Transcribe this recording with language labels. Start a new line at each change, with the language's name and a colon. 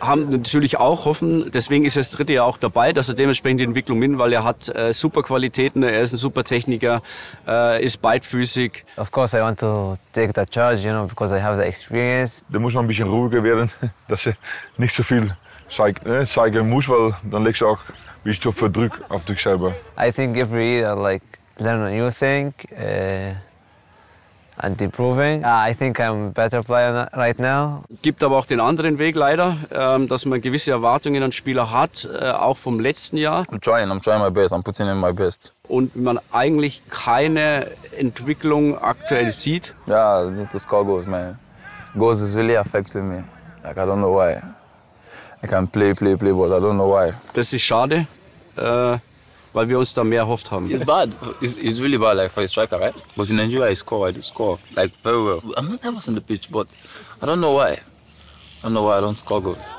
German: Haben natürlich auch hoffen, deswegen ist er das dritte Jahr auch dabei, dass er dementsprechend die Entwicklung mitnimmt, weil er hat super Qualitäten, er ist ein super Techniker, ist beidfüßig.
English: Of course I want to take the charge, you know, because I have the experience.
German: Der muss noch ein bisschen ruhiger werden, dass er nicht so viel zeigen muss, weil dann legst du auch ein bisschen zu viel Druck auf dich selber.
English: I think every year I like learn a new thing. and improving. I think I'm a better player right now.
German: Gibt aber auch den anderen Weg leider, dass man gewisse Erwartungen an Spieler hat, auch vom letzten Jahr.
English: I'm trying my best, I'm putting in my best.
German: Und man eigentlich keine Entwicklung aktuell sieht.
English: Ja, yeah, the score goes, man. Goals is really affecting me. Like, I don't know why. I can play, but I don't know why.
German: Das ist schade, weil wir uns da mehr erhofft haben.
English: It's bad. It's really bad, like, for a striker, right? But in Nigeria, I do score, like, very well. I'm not nervous on the pitch, but I don't know why. I don't know why I don't score goals.